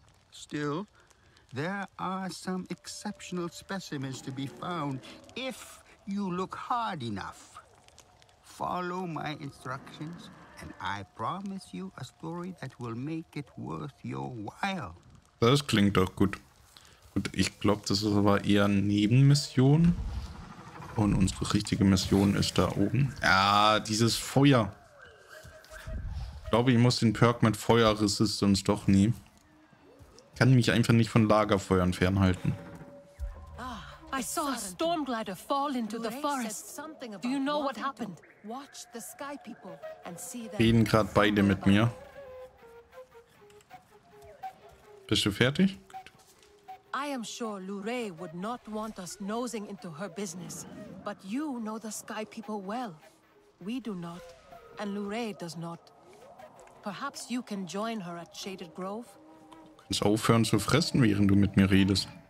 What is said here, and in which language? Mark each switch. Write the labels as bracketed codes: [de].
[en] Still, there are some exceptional specimens to be found if you look hard enough. Follow my instructions, and I promise you a story that will make it worth your while. [de] Das klingt doch gut. Gut, ich glaube, das ist aber eher eine Nebenmission. Und unsere richtige Mission ist da oben. Ah, dieses Feuer. Ich glaube, ich muss den Perk mit Feuerresistance doch nehmen. Ich kann mich einfach nicht von Lagerfeuern fernhalten. [en] Ah, I saw a storm glider fall into the forest. Do you know what happened? Watch the sky people and see them. [de] Reden gerade beide mit mir. Bist du fertig? [en] I am sure Luray would not want us nosing into her business, but you know the sky people well. We do not, and Luray does not. Perhaps you can join her at Shaded Grove. [de] Kannst aufhören zu fressen, während du mit mir redest.